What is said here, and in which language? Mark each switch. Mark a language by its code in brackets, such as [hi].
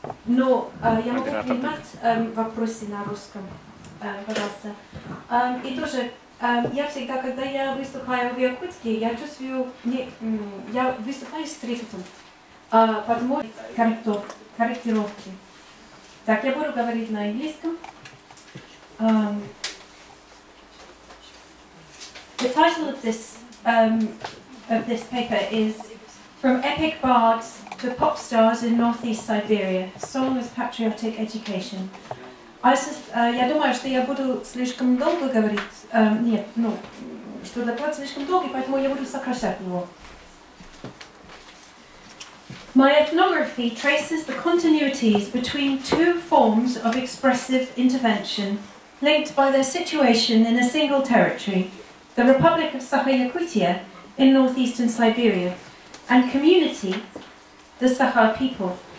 [ru] Я могу принимать вопросы на русском, пожалуйста. И тоже, я всегда, когда я выступаю в Якутске, я чувствую, я выступаю с трепетом, потому что корректировки. Так, я буду говорить на английском. [en] The title of this paper is From Epic Bards to Pop Stars in Northeast Siberia, Song with Patriotic Education. [ru] Я думаю, что я буду слишком долго говорить, что доклад слишком долгий, поэтому я буду сокращать его. [en] My ethnography traces the continuities between two forms of expressive intervention linked by their situation in a single territory, the Republic of Sakha-Yakutia in northeastern Siberia, and community, the Sakha people.